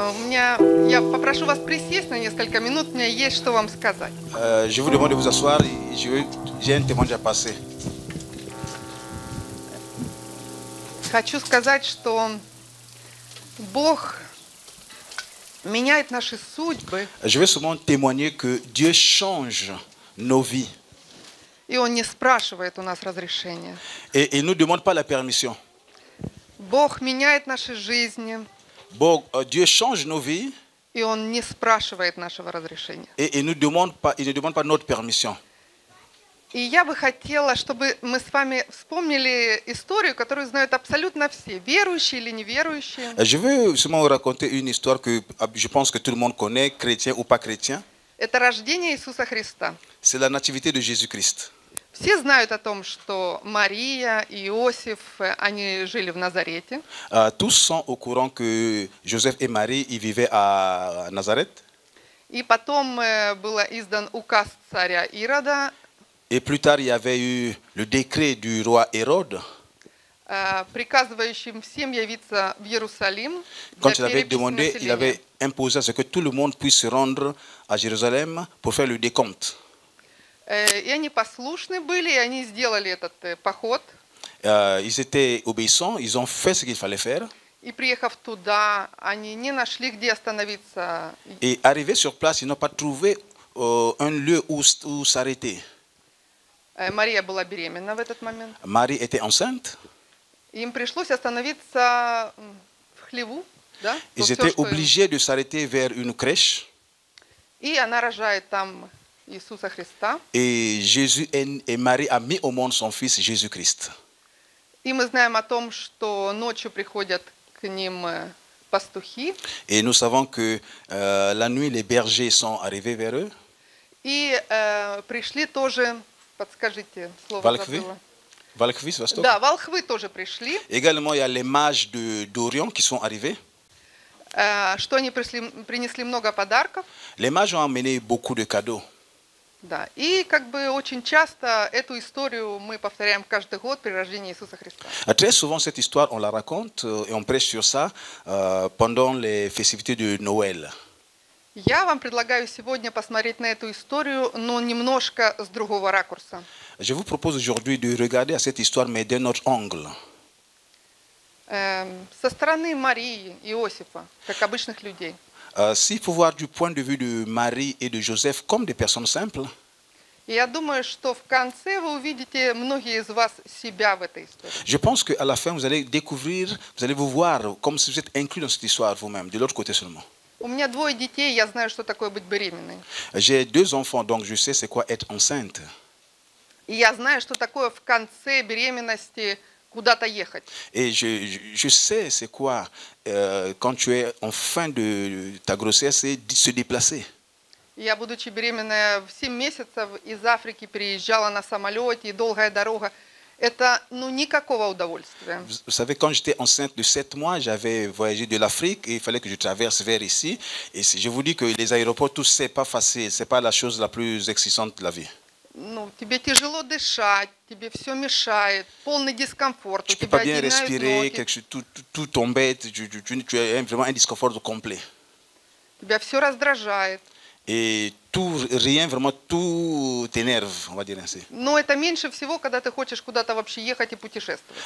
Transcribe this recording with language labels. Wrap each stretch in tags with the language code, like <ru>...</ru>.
<ru>Я попрошу вас присесть на несколько минут, у меня есть что вам сказать.</ru> <fr>Je vous demande de vous asseoir, j'ai un témoignage à passer.</fr> <ru>Хочу сказать, что Бог меняет наши судьбы.</ru> <fr>Je veux seulement témoigner que Dieu change nos vies.</fr> <ru>И Он не спрашивает у нас разрешения.</ru> <fr>Et il nous demande pas la permission.</fr> <ru>Бог меняет наши жизни.</ru> <fr>Бог, Dieu change nos vies.</fr> <ru>И Он не спрашивает нашего разрешения.</ru> <fr>Et il nous demande pas, il ne demande pas notre permission.</fr> <ru>И я бы хотела, чтобы мы с вами вспомнили историю, которую знают абсолютно все, верующие или неверующие.</ru> <fr>Je veux seulement vous raconter une histoire que je pense que tout le monde connaît, chrétien ou pas chrétien.</fr> <ru>Это рождение Иисуса Христа.</ru> <fr>C'est la nativité de Jésus-Christ.</fr> <ru>Все знают о том, что Мария и Иосиф, они жили в Назарете.</ru> <fr>Tous sont au courant que Joseph et Marie ils vivaient à Nazareth.</fr> <ru>И потом был издан указ царя Ирода.</ru> <fr>Et plus tard, il y avait eu le décret du roi Hérode,</fr> <ru>приказывающим всем явиться в Иерусалим.</ru> <fr>Quand il avait demandé, il avait imposé à ce que tout le monde puisse se rendre à Jérusalem pour faire le décompte.</fr> <ru>И они послушны были, и они сделали этот поход.</ru> <fr>Ils étaient obéissants, ils ont fait ce qu'il fallait faire.</fr> <ru>И приехав туда, они не нашли, где остановиться.</ru> <fr>Et arrivés sur place, ils n'ont pas trouvé un lieu où s'arrêter.</fr> <ru>Мария была беременна в этот момент.</ru> <fr>Marie était enceinte.</fr> <ru>Им пришлось остановиться в хлеву, да?</ru> <fr>Ils étaient obligés de s'arrêter vers une crèche.</fr> <ru>И она рожает там Иисуса Христа.</ru> <fr>Et Jésus et Marie a mis au monde son fils Jésus-Christ.</fr> <ru>И мы знаем о том, что ночью приходят к ним пастухи.</ru> <fr>Et nous savons que la nuit les bergers sont arrivés vers eux.</fr> <ru>И пришли тоже. Подскажите слово. Волхвы. Волхвы с востока. Да, волхвы тоже пришли.</ru> <fr>Également il y a les mages de d'Orient qui sont arrivés.</fr> <ru>Что они принесли много подарков?</ru> <fr>Les mages ont amené beaucoup de cadeaux.</fr> <ru>Да, и как бы очень часто эту историю мы повторяем каждый год при рождении Иисуса Христа.</ru> <fr>Très souvent cette histoire on la raconte et on prêche sur ça pendant les festivités de Noël.</fr> <ru>Я вам предлагаю сегодня посмотреть на эту историю, но немножко с другого ракурса.</ru> <fr>Je vous propose aujourd'hui de regarder à cette histoire mais d'un autre angle.</fr> <ru>Со стороны Марии и Иосифа, как обычных людей.</ru> <fr>Si pour voir du point de vue de Marie et de Joseph comme des personnes simples.</fr> <ru>Я думаю, что в конце вы увидите многие из вас себя в этой истории.</ru> <fr>Je pense que à la fin vous allez découvrir, vous allez vous voir comme si vous êtes inclus dans cette histoire vous-même, de l'autre côté seulement.</fr> <ru>У меня двое детей, я знаю, что такое быть беременной.</ru> <fr>J'ai deux enfants, donc je sais c'est quoi être enceinte.</fr> <ru>И я знаю, что такое в конце беременности куда-то ехать.</ru> <fr>Et je sais c'est quoi quand tu es en fin de ta grossesse se déplacer.</fr> <ru>Я, будучи беременная, в 7 месяцев из Африки переезжала на самолете, и долгая дорога. Это, ну, никакого удовольствия.</ru> <fr>Vous savez, quand j'étais enceinte de 7 mois, j'avais voyagé de l'Afrique et il fallait que je traverse vers ici. Et je vous dis que les aéroports, tout, c'est pas facile, c'est pas la chose la plus excitante de la vie.</fr> <ru>Ну, тебе тяжело дышать, тебе все мешает, полный дискомфорт.</ru> <fr>Tu peux pas bien respirer, quelque chose, tout t'embête, tu as vraiment un discomfort complet.</fr> <ru>Тебя все раздражает.</ru> <fr>Et tout, rien, vraiment, tout t'énerve, on va dire ainsi.</fr> <ru>Но это меньше всего, когда ты хочешь куда-то вообще ехать и путешествовать.</ru>